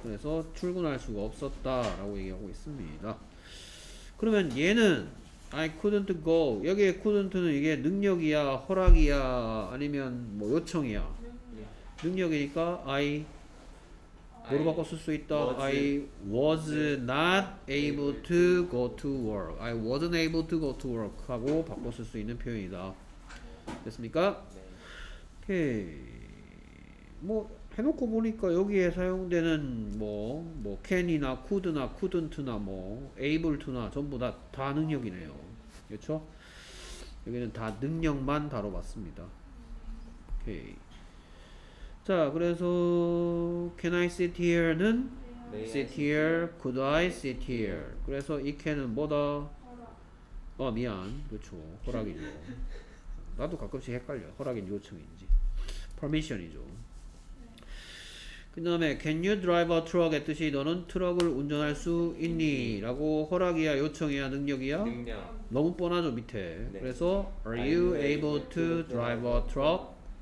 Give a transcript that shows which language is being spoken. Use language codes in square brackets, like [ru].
[ko] 그래서 출근할 수가 없었다라고 얘기하고 있습니다. 그러면 얘는 [en] I couldn't go. [ko] 여기에 couldn't는 이게 능력이야, 허락이야, 아니면 뭐 요청이야. 능력이니까 I 뭐로 바꿨을 수 있다. [en] I was not able to go to work. I wasn't able to go to work [ko] 하고 바꿨을 수 있는 표현이다. 됐습니까? 오케이. 뭐 해놓고 보니까 여기에 사용되는 뭐 can이나 could나 couldn't나 뭐 able to나 전부 다 능력이네요. 그렇죠? 여기는 다 능력만 다뤄봤습니다. 오케이. 자, 그래서 [en] can I sit here [ko] 는 [en] May sit here, could I sit here? [ko] 그래서 이 can은 뭐다? 허락. 어, 미안. 그렇죠. 허락이죠. 나도 가끔씩 헷갈려. 허락인지 요청인지. permission이죠. 그 다음에 [en] can you drive a truck [ko] 했듯이 너는 트럭을 운전할 수 있니? 라고 허락이야, 요청이야, 능력이야? 능력. 너무 뻔하죠, 밑에. 네. [en] 그래서 are you able to drive a truck?